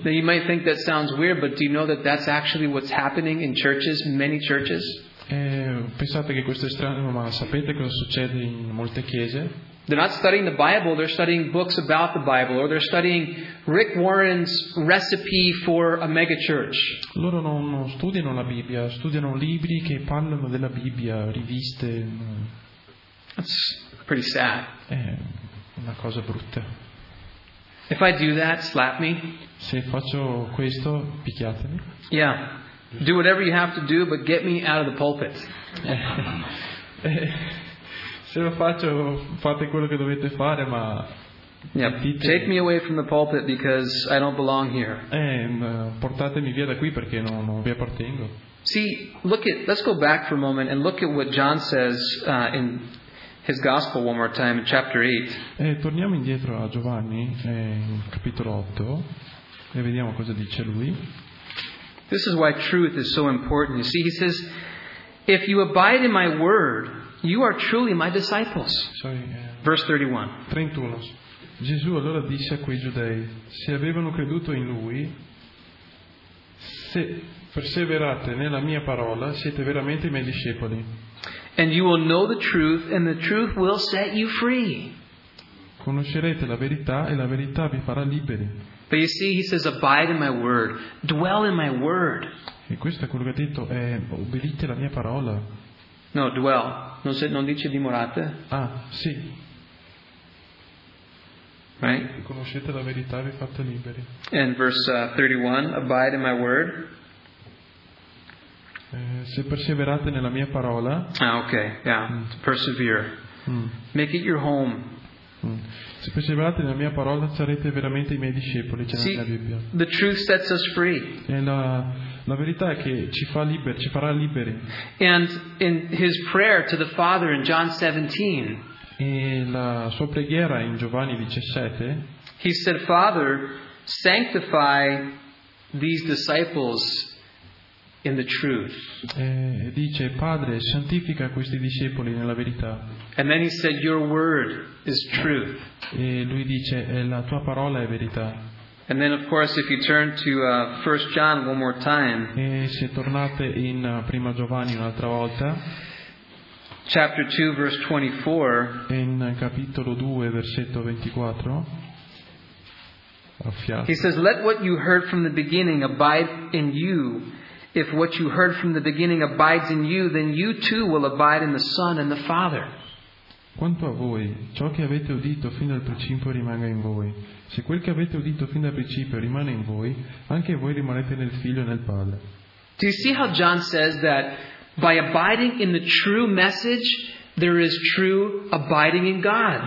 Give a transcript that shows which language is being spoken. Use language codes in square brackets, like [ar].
[en] Now you might think that sounds weird, but do you know that that's actually what's happening in churches, many churches? [it] Pensate che questo è strano, ma sapete cosa succede in molte chiese? [en] They're not studying the Bible, they're studying books about the Bible, or they're studying Rick Warren's recipe for a mega church. [it] Loro non studiano la Bibbia, studiano libri che parlano della Bibbia, riviste. [en] That's pretty sad. [it] È una cosa brutta. [en] If I do that, slap me. [it] Se faccio questo, picchiatemi. [en] Yeah. Do whatever you have to do, but get me out of the pulpit. [it] Se lo faccio, fate quello che dovete fare, ma [en] take me away from the pulpit because I don't belong here. [it] Portatemi via da qui perché non vi appartengo. [en] See, let's go back for a moment and look at what John says in his gospel one more time in chapter 8. [it] Torniamo indietro a Giovanni, in capitolo 8, e vediamo cosa dice lui. [en] This is why truth is so important. You see, he says, if you abide in my word, you are truly my disciples. Verse 31. [it] Gesù allora disse a quei giudei, se avevano creduto in lui, se perseverate nella mia parola, siete veramente i miei discepoli. [en] And you will know the truth, and the truth will set you free. [it] Conoscerete la verità e la verità vi farà liberi. [en] But you see, he says, abide in my word, dwell in my word. [it] E questo è quello che ha detto, è obbedite la mia parola. [en] No, dwell. [it] Non dice dimorate? Ah, sì. [en] Right? [it] Conoscete la verità e vi fate liberi. [en] And verse 31, abide in my word. [it] Se perseverate nella mia parola. [en] Ah, okay, yeah. Persevere. Make it your home. [it] Se perseverate nella mia parola sarete veramente i miei discepoli, c'è nella Bibbia. [en] The truth sets us free. [it] E la verità è che ci farà liberi. [en] And in his prayer to the Father in John 17. [it] E la sua preghiera in Giovanni 17. [en] He said, Father, sanctify these disciples in the truth. [it] Dice, Padre, santifica questi discepoli nella verità. [en] And then he said, your word is truth. [it] E lui dice, la tua parola è verità. [en] And then of course if you turn to 1 John one more time. [it] E se tornate in Prima Giovanni un'altra volta. [en] Chapter 2 verse 24. [it] In capitolo 2 versetto 24. Affiato. [en] He says, let what you heard from the beginning abide in you. If what you heard from the beginning abides in you, then you too will abide in the Son and the Father. [it] Quanto a voi, ciò che avete udito fin dal principio rimanga in voi. Se quel che avete udito fin dal principio rimane in voi, anche voi rimarrete nel Figlio e nel Padre. [en] Do you see how John says that by abiding in the true message, there is true abiding in God.